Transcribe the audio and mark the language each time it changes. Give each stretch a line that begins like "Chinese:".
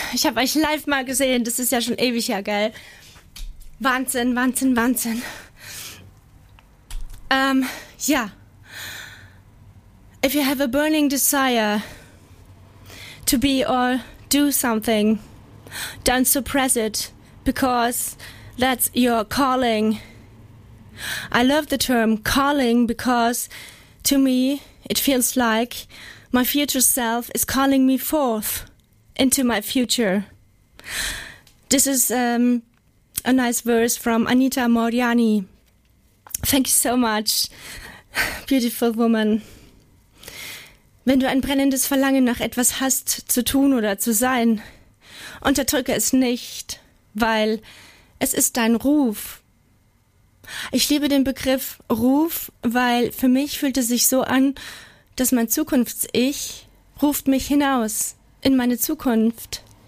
German: Ich habe euch live mal gesehen. Das ist ja schon ewig her, gell? Wahnsinn, Wahnsinn, Wahnsinn. Ja.
English: If you have a burning desire to be or do something, don't suppress it, because that's your calling. I love the term calling because to me it feels like my future self is calling me forth into my future. This is a nice verse from Anita Moriani. Thank you so much, beautiful woman.
German: Wenn du ein brennendes Verlangen nach etwas hast, zu tun oder zu sein, unterdrücke es nicht, weil es ist dein Ruf. Ich liebe den Begriff Ruf, weil für mich fühlt es sich so an, dass mein Zukunfts-Ich ruft mich hinaus in meine Zukunft.